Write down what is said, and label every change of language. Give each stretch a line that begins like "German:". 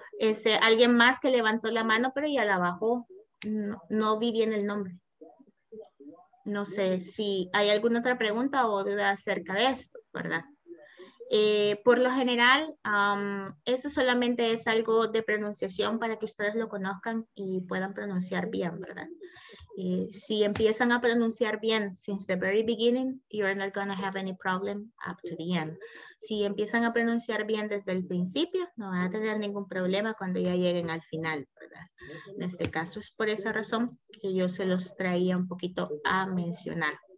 Spanish: Este, alguien más que levantó la mano, pero ya la bajó. No, no vi bien el nombre. No sé si hay alguna otra pregunta o duda acerca de esto, ¿verdad? Por lo general, eso solamente es algo de pronunciación para que ustedes lo conozcan y puedan pronunciar bien, ¿verdad? Si empiezan a pronunciar bien
English: since the very beginning, you're not going to have any problem up to the end.
Spanish: Si empiezan a pronunciar bien desde el principio, no van a tener ningún problema cuando ya lleguen al final, ¿verdad? En este caso es por esa razón que yo se los traía un poquito a mencionar.